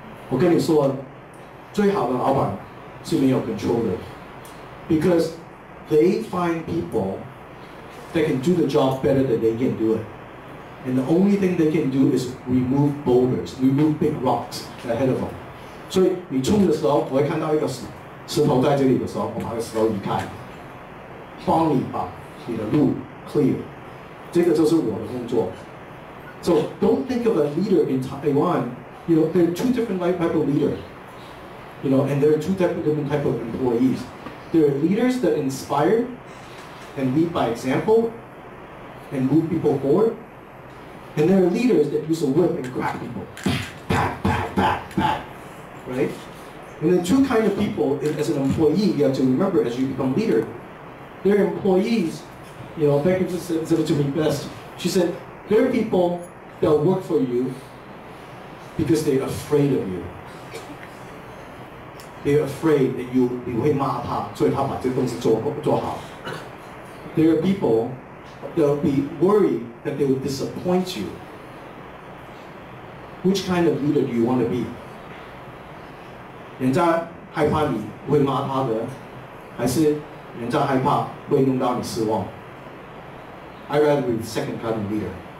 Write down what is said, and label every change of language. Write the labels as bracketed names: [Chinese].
[Chinese] 我跟你说，最好的老板是没有 control 的。 [English] Because they find people that can do the job better than they can do it. And the only thing they can do is remove boulders, remove big rocks ahead of them. [Chinese] 所以你冲的时候，我会看到一个石头在这里的时候，我把这石头移开，帮你把你的路 clear。这个就是我的工作。 [English] So don't think of a leader in Taiwan, you know, there are two different type of leaders. You know, and there are two different type of employees. There are leaders that inspire and lead by example and move people forward. And there are leaders that use a whip and crack people. Back, back, back, back. Right? And the two kinds of people, as an employee, you have to remember as you become leader, they're employees. You know, Becky just said it to me best. She said, there are people that work for you because they're afraid of you. They're afraid that you will be mad at him, so he will do this job. There are people that will be worried that they will disappoint you. Which kind of leader do you want to be? [Chinese] 人家害怕你会骂他的，还是人家害怕会弄到你失望？ [English] I'd rather be the second kind of leader.